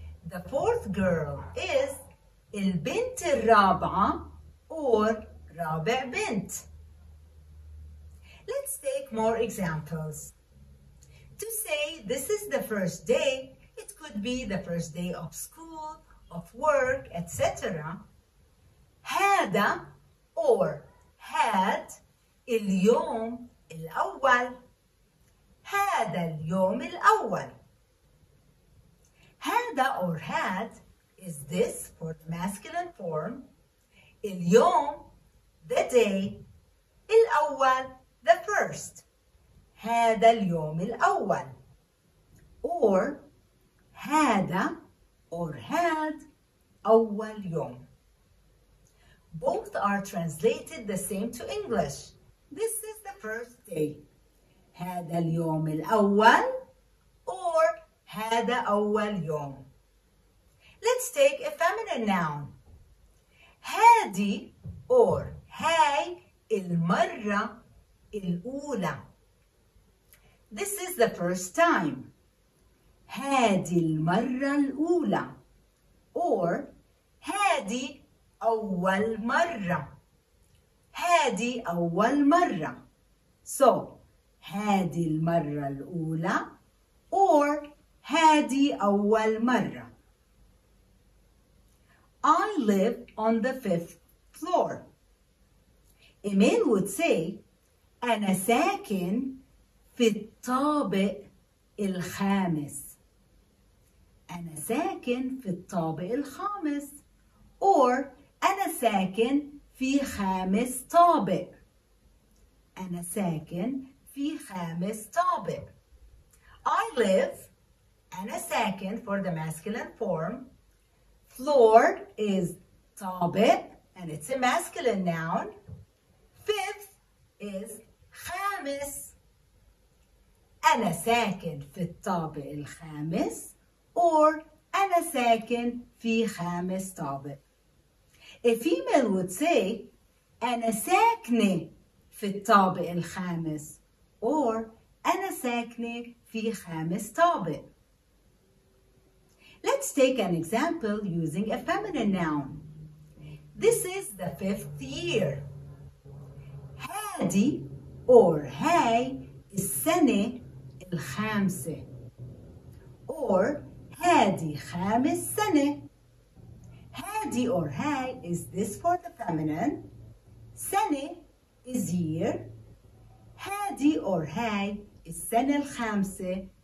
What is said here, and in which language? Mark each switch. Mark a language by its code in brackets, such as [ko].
[en] The fourth girl is [ar] البنت الرابعة [en] or [ar] رابع بنت. [en] Let's take more examples. To say this is the first day, it could be the first day of school, of work, etc. [ar] هذا or هاد اليوم الأول. هذا اليوم الأول. [en] هذا or هاد is this for the masculine form. اليوم the day. الأول the first. [ar] هذا اليوم الأول. Or هذا or had أول يوم. [en] Both are translated the same to English. This is the first day. [ar] هذا اليوم الأول or هذا أول يوم. [en] Let's take a feminine noun. [ar] هذه or هاي المرة الأولى. [en] This is the first time. [ar] هذه المرة الأولى or هذه أول مرة. هذه أول مرة. So هذه المرة الأولى or هذه أول مرة. [en] I live on the fifth floor. A man would say [ar] أنا ساكن في الطابق الخامس. أنا ساكن في الطابق الخامس or أنا ساكن في خامس طابق. أنا ساكن في خامس طابق. [en] I live [ar] أنا ساكن [en] for the masculine form. Floor is طابق and it's a masculine noun. Fifth is خامس. [ar] أنا ساكن في الطابق الخامس or أنا ساكن في خامس طابق. [en] A female would say [ar] أنا ساكنة في الطابق الخامس or أنا ساكنة في خامس طابق. [en] Let's take an example using a feminine noun. This is the fifth year. [ar] هادي or هاي السنة الخامسة or هادي خامس سنة. [en] هادي or هاي is this for the feminine. سنة is year. [ar] هادي or هاي السنة الخامسة.